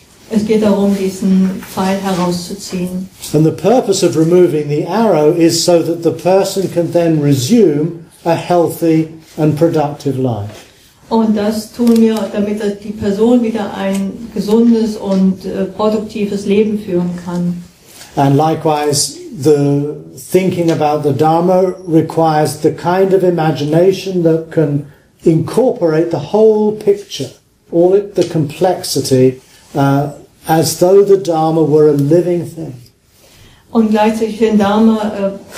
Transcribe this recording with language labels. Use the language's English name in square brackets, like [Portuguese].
[German] Es geht darum, diesen Pfeil herauszuziehen. [English] And the purpose of removing the arrow is so that the person can then resume a healthy and productive life. [German] Und das tun wir, damit die Person wieder ein gesundes und produktives Leben führen kann. [English] And likewise, the thinking about the Dharma requires the kind of imagination that can incorporate the whole picture, all it, the complexity, as though the Dharma were a living thing. [German] Und gleichzeitig den Dharma...